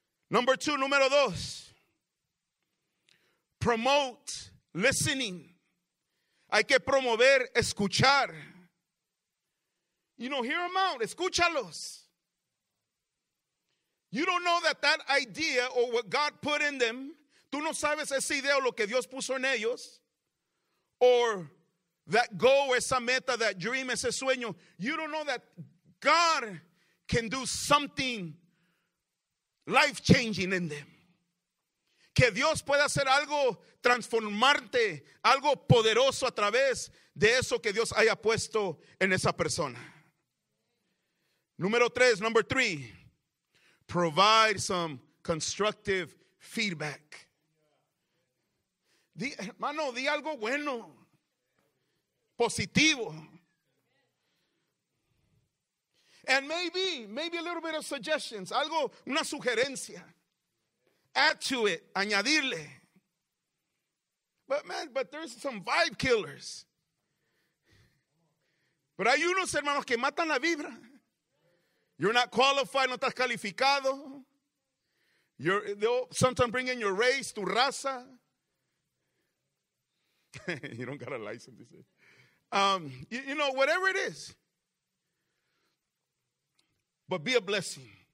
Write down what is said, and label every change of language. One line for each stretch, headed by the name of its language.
English: Number two,
Spanish: número dos.
English: Promote listening.
Spanish: Hay que promover, escuchar.
English: You know, hear them out,
Spanish: escúchalos.
English: You don't know that idea or what God put in them.
Spanish: Tú no sabes esa idea o lo que Dios puso en ellos.
English: Or that goal,
Spanish: esa meta,
English: that dream,
Spanish: ese sueño.
English: You don't know that God can do something life-changing in them.
Spanish: Que Dios pueda hacer algo, transformarte, algo poderoso a través de eso que Dios haya puesto en esa persona. Número tres,
English: number three. Provide some constructive feedback.
Spanish: Hermano, di algo bueno. Positivo.
English: And maybe a little bit of suggestions.
Spanish: Algo, una sugerencia.
English: Add to it,
Spanish: añadirle.
English: But there's some vibe killers.
Spanish: Pero hay unos hermanos que matan la vibra.
English: You're not qualified,
Spanish: no estás calificado.
English: They'll sometimes bring in your race,
Spanish: tu raza.
English: You don't got a license, you say. Whatever it is. But be a blessing.